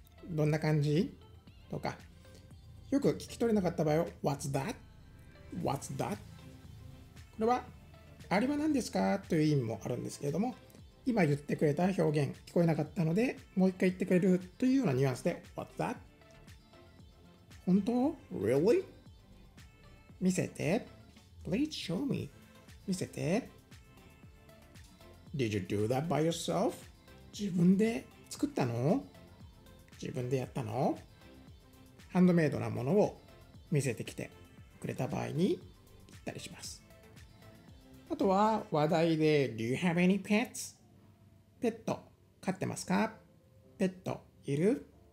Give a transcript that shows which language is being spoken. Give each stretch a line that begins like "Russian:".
Japanese: どんな感じとか、よく聞き取れなかった場合は
English: What's that? What's that?
Japanese: これはあれは何ですかという意味もあるんですけれども、今言ってくれた表現聞こえなかったのでもう一回言ってくれるというようなニュアンスで
English: What's that?
Japanese: 本当?
English: Really?
Japanese: 見せて
English: Please show me 見せて Did you do that by yourself?
Japanese: 自分で作ったの?自分でやったの? ハンドメイドなものを見せてきてくれた場合に言ったりします。あとは話題で
English: Do you have any pets?
Japanese: ペット飼ってますか? ペットいる?